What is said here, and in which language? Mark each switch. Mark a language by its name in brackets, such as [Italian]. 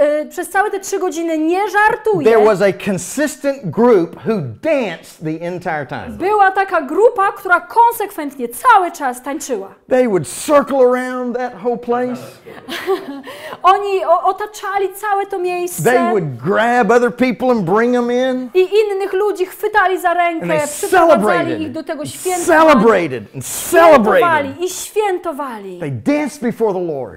[Polish] Przez całe te trzy godziny nie żartuję. [English] There was a consistent group who danced the entire time. [Polish] Była taka grupa, która konsekwentnie cały czas tańczyła. [English] They would circle around that whole place. [Polish] Oni otaczali całe to miejsce. [English] They would grab other people and bring them in. [Polish] I innych ludzi chwytali za rękę, przyprowadzali ich do tego święta. [English] Celebrated and celebrated. [Polish] I świętowali. [English] They danced before the Lord.